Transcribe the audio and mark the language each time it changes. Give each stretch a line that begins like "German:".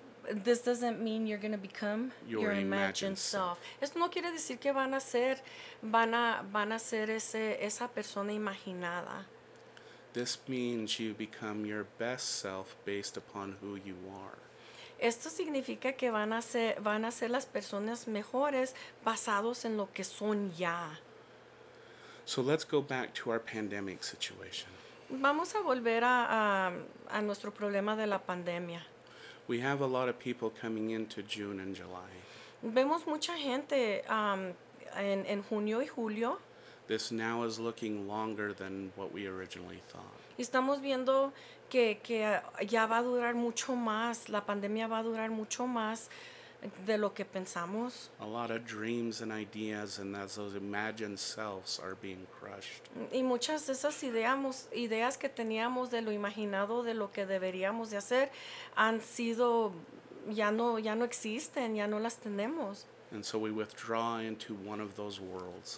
English: this doesn't mean you're going to become your imagined self.
Spanish: Eso no quiere decir que van a ser esa persona imaginada.
English: This means you become your best self based upon who you are.
Spanish: Esto significa que van a ser las personas mejores basados en lo que son ya.
English: So let's go back to our pandemic situation.
Spanish: Vamos a volver a nuestro problema de la pandemia.
English: We have a lot of people coming into June and July.
Spanish: Vemos mucha gente en junio y julio.
English: This now is looking longer than what we originally thought.
Spanish: Estamos viendo que ya va a durar mucho más, la pandemia va a durar mucho más de lo que pensamos.
English: A lot of dreams and ideas and those imagined selves are being crushed.
Spanish: Y muchas de esas ideas que teníamos de lo imaginado, de lo que deberíamos de hacer, han sido, ya no existen, ya no las tenemos.
English: And so we withdraw into one of those worlds.